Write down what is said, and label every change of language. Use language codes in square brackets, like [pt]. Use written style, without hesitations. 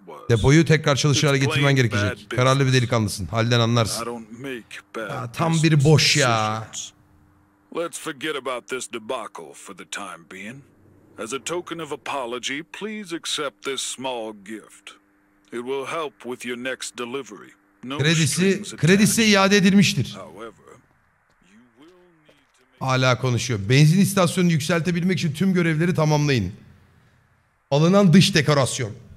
[tr] Depoyu tekrar çalışır hale getirmen gerekecek. Kararlı bir delikanlısın. Halden anlarsın. Ya, tam bir boş ya. [en] Let's forget about this debacle for the time being. As a token of apology, please accept this small gift. It will help with your next delivery. [tr] Kredisi iade edilmiştir. Hala konuşuyor. Benzin istasyonunu yükseltebilmek için tüm görevleri tamamlayın. Alınan dış dekorasyon.